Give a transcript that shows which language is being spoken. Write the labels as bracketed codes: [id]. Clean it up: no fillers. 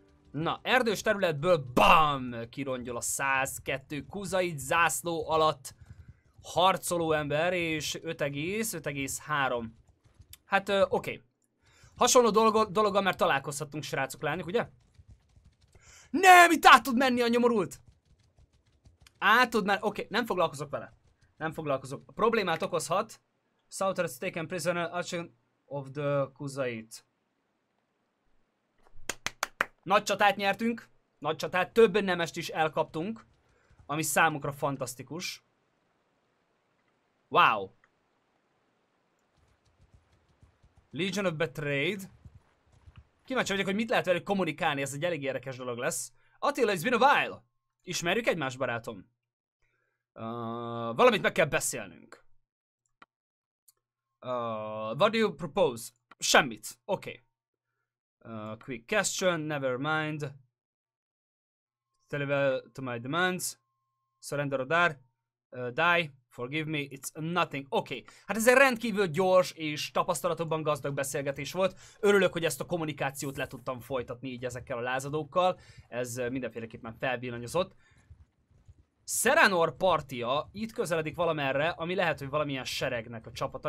[hu] Na, erdős területből BAM! Kirongyol a 102 kuzait zászló alatt harcoló ember, és 5,3. Hát, oké. Hasonló dologgal már találkozhattunk, srácok, lányok, ugye? Nem, itt át tud menni a nyomorult! Át tud menni, oké, nem foglalkozok vele. Nem foglalkozok. A problémát okozhat. [en] Souther has taken prisoner action of the kuzait. [hu] Nagy csatát nyertünk, nagy csatát, több nemest is elkaptunk, ami számukra fantasztikus. Wow! Legion of Betrayed. Kíváncsi vagyok, hogy mit lehet velük kommunikálni, ez egy elég érdekes dolog lesz. Attila, [en] it's been a while! [hu] Ismerjük egymás, barátom? Valamit meg kell beszélnünk. [en] What do you propose? [hu] Semmit. [en] Oké. Okay. Quick question, never mind. Deliver to my demands. Surrender or die. Die, forgive me, it's nothing. Oké, okay. [hu] Hát ez egy rendkívül gyors és tapasztalatokban gazdag beszélgetés volt. Örülök, hogy ezt a kommunikációt le tudtam folytatni így ezekkel a lázadókkal. Ez mindenféleképpen felvillanyozott. Serenor partia itt közeledik valamerre, ami lehet, hogy valamilyen seregnek a csapata.